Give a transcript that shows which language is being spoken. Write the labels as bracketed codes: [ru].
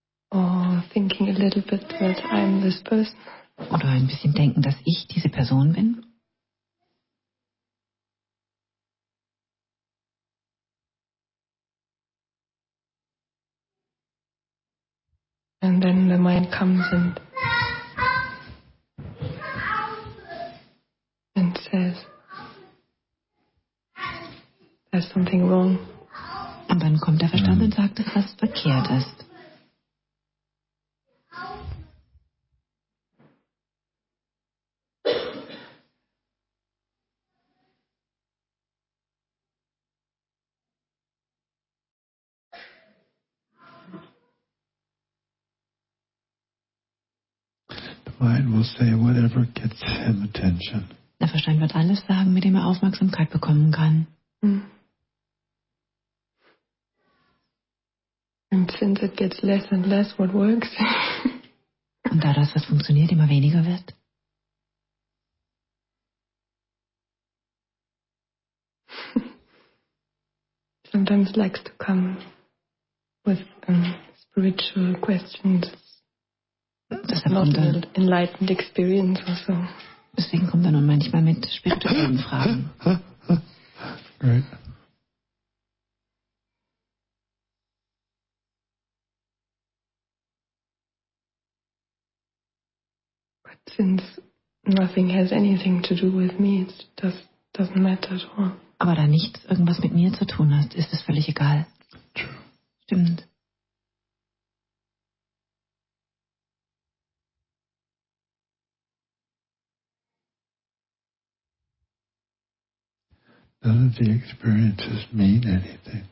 [en] Oh, thinking a little bit that I'm this person. [de] Oder ein bisschen denken, dass ich diese Person bin? [en] And then the mind comes and says there's something wrong. [de] Und dann kommt der Verstand und sagt, dass was verkehrt ist. [en] Mind will say whatever gets him attention. [de] Der Verstand wird alles sagen, mit dem Aufmerksamkeit bekommen kann. [en] And since it gets less and less what works. [de] Und da das, was funktioniert, immer weniger wird. [en] Sometimes likes to come with spiritual questions. [de] Das ist [en] not an enlightened experience or so. [de] Deswegen kommt er nun manchmal mit spirituellen Fragen. [en] Great. But since nothing has anything to do with me, it doesn't matter at all. [de] Aber da nichts irgendwas mit mir zu tun hat, ist es völlig egal. [en] True. [de] Stimmt. [en] None of the experiences mean anything.